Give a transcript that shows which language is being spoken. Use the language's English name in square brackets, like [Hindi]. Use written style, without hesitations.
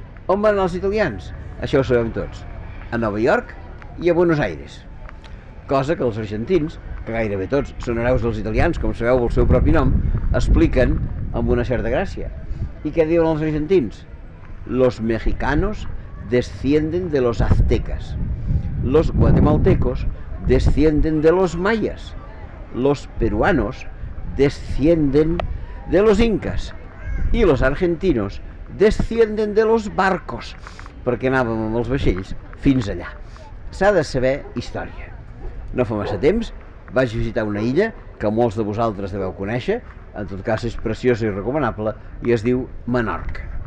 [Catalan] On van anar els italians? Això ho sabem tots. A Nova York i a Buenos Aires. Cosa que els argentins, que gairebé tots són hereus dels italians, com sabeu el seu propi nom, expliquen amb una certa gràcia. I què diuen els argentins? [Spanish] Los mexicanos descienden de los aztecas. Los guatemaltecos descienden de los mayas. Los peruanos descienden de los incas. Y los argentinos descienden de los barcos. [Catalan] Perquè anàvem amb els vaixells fins allà. S'ha de saber història. No fa massa temps vaig visitar una illa que molts de vosaltres deveu conèixer, en tot cas és preciosa i recomanable, i es diu Menorca.